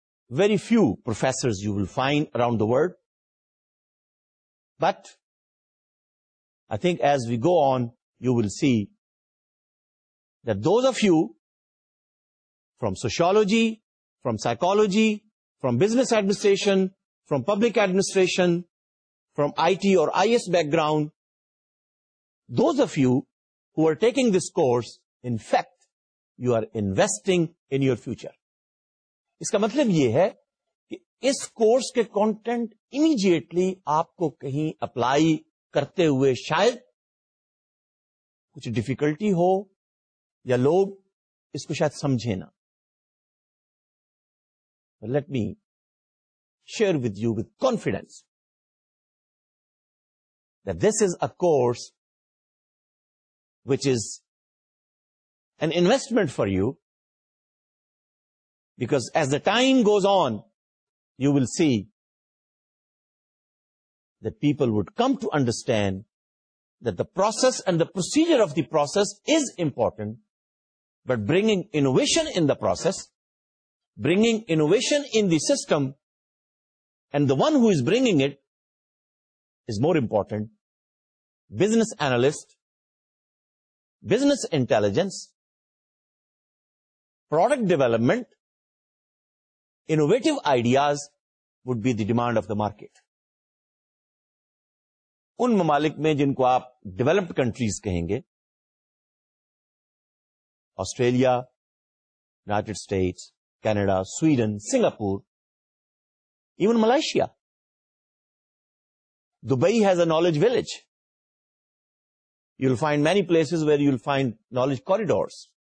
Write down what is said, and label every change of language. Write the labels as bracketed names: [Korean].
[English] Very few professors you will find around the world, but I think as we go on, you will see that those of you from sociology, from psychology, from business administration, from public administration, from IT or IS background, those of you who are taking this course, in fact, you are investing in your future. [Urdu] اس کا مطلب یہ ہے کہ اس course کے content immediately آپ کو کہیں apply کرتے ہوئے شاید کچھ ڈیفیکلٹی ہو یا لوگ اس کو شاید سمجھے نا. [English] Let me share with you with confidence that this is a course which is an investment for you, because as the time goes on, you will see that people would come to understand that the process and the procedure of the process is important, but bringing innovation in the process, bringing innovation in the system, and the one who is bringing it is more important. Business analyst, business intelligence, product development, innovative ideas would be the demand of the market. [Urdu] ان ممالک میں جن کو آپ [English] developed countries [Urdu] کہیں گے, [English] Australia, United States, Canada, Sweden, Singapore, even Malaysia, Dubai has a knowledge village, you will find many places where you will find knowledge corridors.